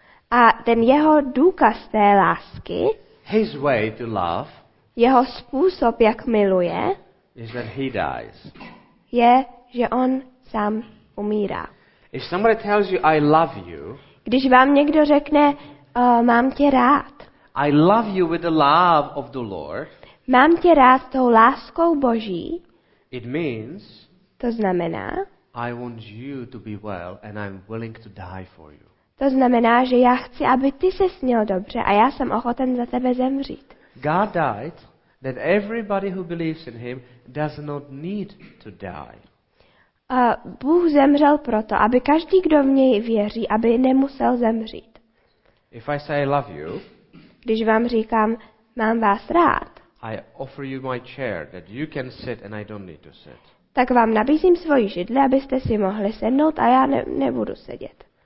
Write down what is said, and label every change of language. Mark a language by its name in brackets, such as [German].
[Czech] A ten jeho důkaz té lásky. [English] His way to love. [Czech] Jeho způsob jak miluje. [English] Is that he dies. [Czech] Je, že on sám umírá. [English] If somebody tells you I love you. [Czech] Když vám někdo řekne mám tě rád. [English] I love you with the love of the Lord. [Czech] Mám tě rád tou láskou Boží. [English] It means. [Czech] To znamená. [English] I want you to be well and I'm willing to die for you. [Czech] To znamená, že já chci, aby ty ses měl dobře a já jsem ochoten za tebe zemřít. [English] God died that everybody who believes in him does not need to die. [Czech] Bůh zemřel proto, aby každý, kdo v něj věří, aby nemusel zemřít. [English] If I say I love you, [Czech] když vám říkám, mám vás rád, [English] I offer you my chair that you can sit and I don't need to sit. [Czech] Tak vám nabízím svoji židli, abyste si mohli sednout a já nebudu sedět.